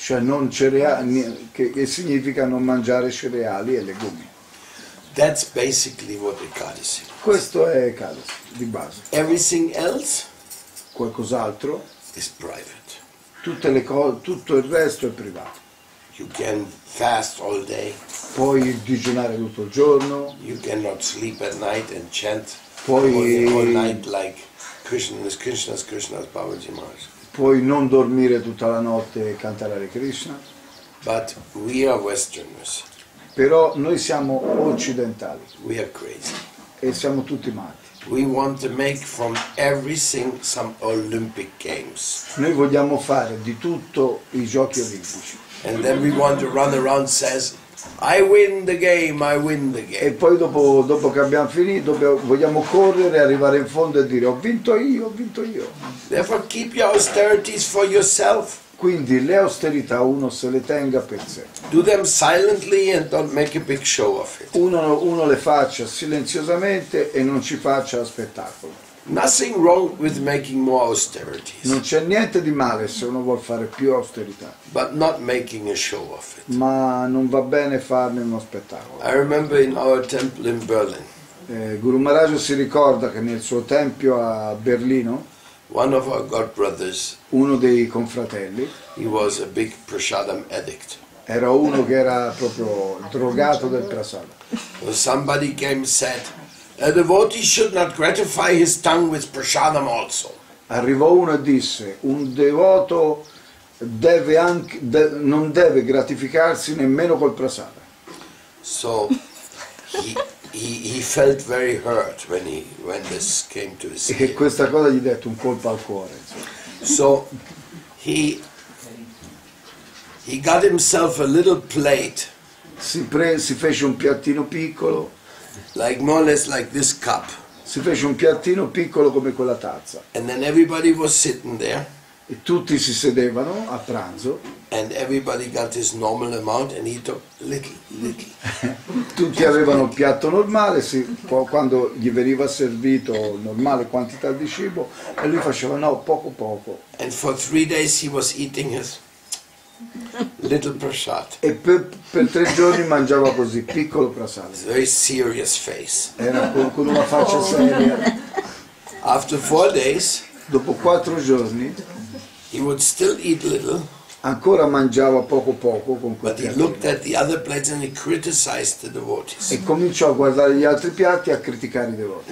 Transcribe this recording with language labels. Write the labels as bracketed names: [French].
[Italian] Cioè non cereali, che significa non mangiare cereali e legumi. [English] That's basically what Ekadasi. [Italian] Questo è Ekadasi di base. [English] Everything else, [Italian] qualcos'altro, [English] is private. [Italian] Tutte le cose, tutto il resto è privato. [English] You can fast all day. [Italian] Puoi digiunare tutto il giorno. [English] You cannot sleep at night and chant. [Italian] Puoi [English] all night like Krishna's Babaji Maharaj. [Italian] Puoi non dormire tutta la notte e cantare Hare Krishna. [English] But we are Westerners. [Italian] Però noi siamo occidentali. [English] We are crazy. [Italian] E siamo tutti matti. [English] We want to make from everything some Olympic games. [Italian] Noi vogliamo fare di tutto i giochi olimpici. [English] And then we want to run around and says, I win the game, I win the game. [Italian] E poi dopo che abbiamo finito, vogliamo correre, arrivare in fondo e dire, ho vinto io. [English] Therefore keep your austerities for yourself. [Italian] Quindi le austerità uno se le tenga per sé. [English] Do them silently and don't make a big show of it. [Italian] Uno le faccia silenziosamente e non ci faccia spettacolo. [English] Nothing wrong with making more austerities. [Italian] Non c'è niente di male se uno vuol fare più austerità. [English] But not making a show of it. [Italian] Ma non va bene farne uno spettacolo. [English] I remember in our temple in Berlin. [Italian] Guru Maharaj si ricorda che nel suo tempio a Berlino, [English] one of our god brothers, [Italian] uno dei confratelli, [English] he was a big prasadam addict. [Italian] Era uno che era proprio drogato del prasad. [English] Somebody came and said, a devotee should not gratify his tongue with prasadam also. [Italian] Arrivò uno e disse, un devoto deve anche non deve gratificarsi nemmeno col prasada. [English] So he felt very hurt when this came to his ear. [Italian] E questa cosa gli ha detto un colpo al cuore. [English] So he got himself a little plate. [Italian] Si fece un piattino piccolo. [English] Like more or less like this cup. [Italian] Si fece un piattino piccolo come quella tazza. [English] And then everybody was sitting there. [Italian] E tutti si sedevano a pranzo. [English] And everybody got his normal amount and he took little. [Italian] Tutti [English] just [Italian] avevano il piatto normale, sì, quando gli veniva servito normale quantità di cibo e lui faceva no, poco. [English] And for 3 days he was eating his little prasad. [Italian] E per 3 giorni mangiava così, piccolo prasad. [English] A very serious face. [Italian] Era con una faccia seria. [English] After 4 days, [Italian] dopo 4 giorni, [English] he would still eat little. [Italian] Ancora mangiava poco con quel. [English] But he looked at the other plates and he criticized the devotees. [Italian] E cominciò a guardare gli altri piatti e a criticare i devoti.